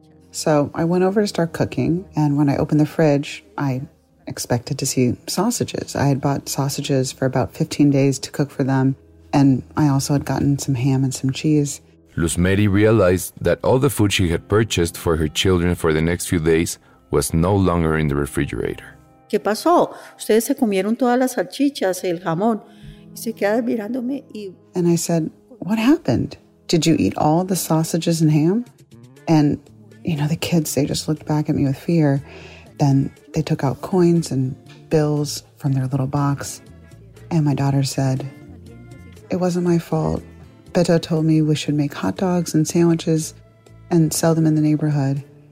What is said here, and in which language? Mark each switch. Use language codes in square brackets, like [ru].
[en] So I went over to start cooking. And when I opened the fridge, I expected to see sausages. I had bought sausages for about 15 days to cook for them. And I also had gotten some ham and some cheese. Luz Mary realized that all the food she had purchased for her children for the next few days was no longer in the refrigerator. [es] ¿Qué pasó? Ustedes se comieron todas las salchichas, el jamón. Y se queda mirándome y... [en] And I said, what happened? Did you eat all the sausages and ham? And, you know, the kids, they just looked back at me with fear. Then they took out coins and bills from their little box. And my daughter said, it wasn't my fault. Beto told me we should make hot dogs and sandwiches and sell them in the neighborhood.